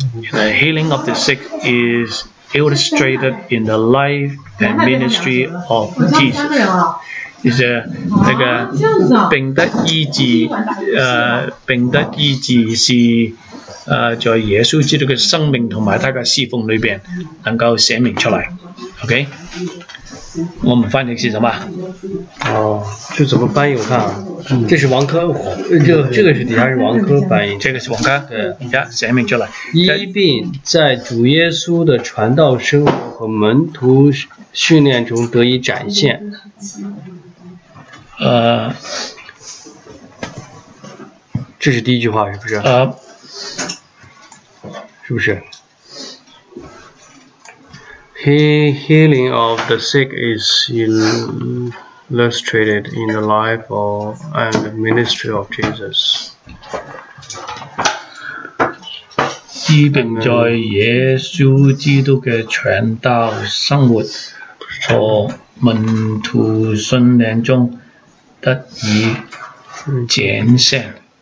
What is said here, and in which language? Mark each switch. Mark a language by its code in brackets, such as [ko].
[en] The healing of the sick is illustrated in the life and ministry of Jesus. [zh] 就是那个病得医治，病得医治是在耶稣基督的生命同埋他嘅侍奉里边能够显明出来 ，OK. 我们翻译是什么？哦，就怎么翻译？我看啊。这是王珂，这个是底下是王珂翻译，这个是王珂，对，呀，写明出来。医病在主耶稣的传道生活和门徒训练中得以展现。这是第一句话，是不是？是不是 [en] ？Healing of the sick is illustrated in the life of and the ministry of Jesus. [zh] 医病在耶稣基督的传道生活和门徒训练中得以展现。